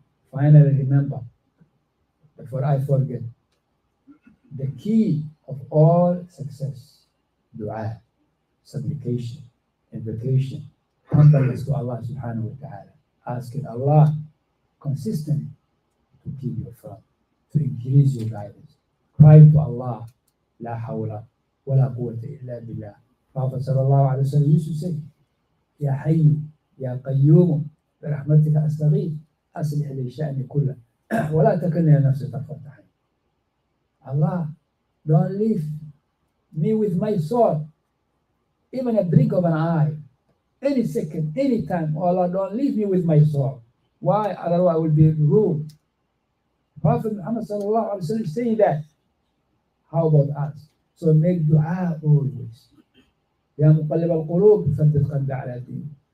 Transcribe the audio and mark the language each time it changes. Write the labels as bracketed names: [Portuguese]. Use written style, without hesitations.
[English] Finally, remember, before I forget, the key of all success, dua, supplication, invocation, humbleness to Allah subhanahu wa ta'ala. Asking Allah consistently to keep you from, to increase your guidance. Cry to Allah. [Arabic] لا حول ولا قوة إلا بالله. [English] Prophet [Arabic] صلى الله عليه وسلم [English] used to say, [Arabic] يا حي يا قيوم برحمتك أستغيث أصلح لي شأني كله ولا تكلني نفسي طرفة عين. [English] Allah, don't leave me with my sword, even a blink of an eye, any second, any time, oh Allah, don't leave me with my sword. Why? Otherwise, I will be ruined. Prophet Muhammad sallallahu alaihi wasallam saying that. How about us? So make dua always. [Arabic] Ya muqallib al-qulub, thabbit qalbi ala din.